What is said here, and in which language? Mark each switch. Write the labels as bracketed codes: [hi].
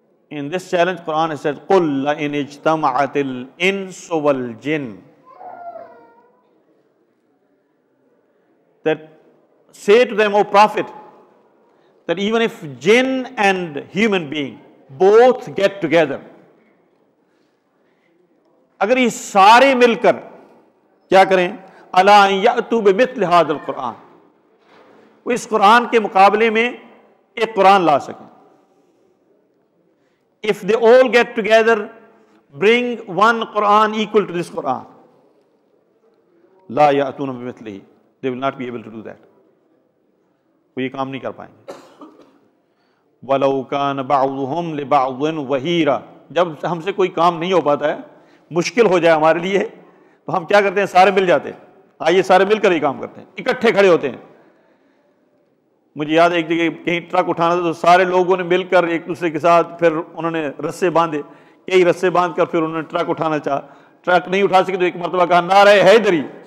[en] in this challenge قرآن نے said [ar] قُلْ لَئِنِ اجْتَمَعَتِ الْإِنسُ وَالْجِنِ [en] that say to them, O prophet, that even if jinn and human being both get together, [ur] اگر یہ سارے مل کر کیا کریں, [ar] اَلَا يَأْتُوا بِمِثْلِ هَذَا الْقُرْآنِ, [ur] وہ اس قرآن کے مقابلے میں ایک قرآن لا سکیں. [en] If they all get together, bring one Quran equal to this Quran, [ar] لَا يَأْتُونَ بِمِثْلِهِ, [en] they will not be able to do that. [ur] وہ یہ کام نہیں کر پائیں گے. [ar] وَلَوْ كَانَ بَعْضُهُمْ لِبَعْضٍ وَحِيرًا. [ur] جب ہم سے کوئی کام نہیں ہو پاتا ہے, مشکل ہو جائے ہمارے لیے, تو ہم کیا کرتے ہیں, سارے مل جاتے ہیں. آئیے سارے مل کر یہ کام کرتے ہیں, اکٹھے کھڑے ہوتے ہیں. مجھے یاد ہے ایک جگہ کہیں ٹرک اٹھانا تھا, تو سارے لوگوں نے مل کر ایک دوسرے کے ساتھ, پھر انہوں نے رسے باندھے, کئی رسے باندھ کر پھر انہوں نے ٹرک اٹھانا چاہا, ٹرک نہیں اٹھا سکے, تو ایک مرتبہ کہا نعرہ حیدری.